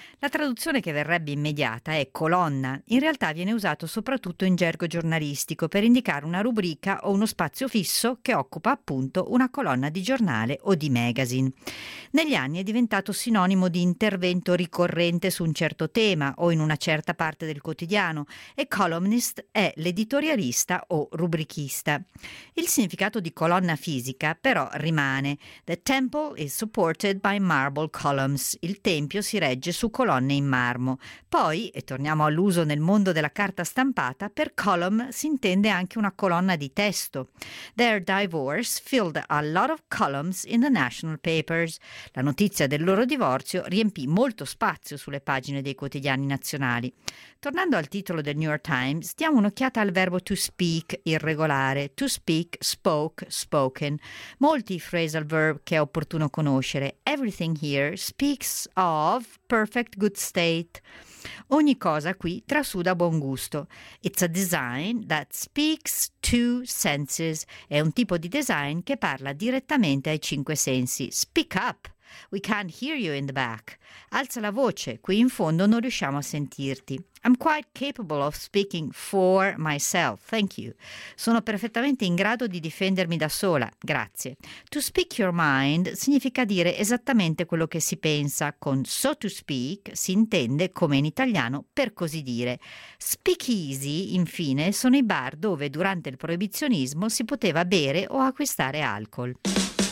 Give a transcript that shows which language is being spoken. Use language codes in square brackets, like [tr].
[it] La traduzione che verrebbe immediata è colonna. In realtà viene usato soprattutto in gergo giornalistico per indicare una rubrica o uno spazio fisso che occupa appunto una colonna di giornale o di magazine. Negli anni è diventato sinonimo di intervento ricorrente su un certo tema o in una certa parte del quotidiano e columnist è l'editorialista o rubrichista. Il significato di colonna fisica però rimane. [en] The temple is supported by marble columns. [it] Il tempio si regge su colonne in marmo. Poi, e torniamo all'uso nel mondo della carta stampata, per column si intende anche una colonna di testo. [en] Their divorce filled a lot of columns in the national papers. [it] La notizia del loro divorzio riempì molto spazio sulle pagine dei quotidiani nazionali. Tornando al titolo del New York Times, diamo un'occhiata al verbo to speak irregolare. [en] To speak, spoke, spoken. [it] Molti phrasal verb che è opportuno conoscere. [en] Everything here speaks of of perfect good state. [it] Ogni cosa qui trasuda buon gusto. [en] It's a design that speaks to senses. [it] È un tipo di design che parla direttamente ai cinque sensi. [en] Speak up. We can't hear you in the back. [it] Alza la voce, qui in fondo non riusciamo a sentirti. [en] I'm quite capable of speaking for myself, thank you. [it] Sono perfettamente in grado di difendermi da sola, grazie. [en] To speak your mind [it] significa dire esattamente quello che si pensa. Con [en] so to speak [it] si intende, come in italiano, per così dire. Speakeasy, infine, sono i bar dove durante il proibizionismo si poteva bere o acquistare alcol.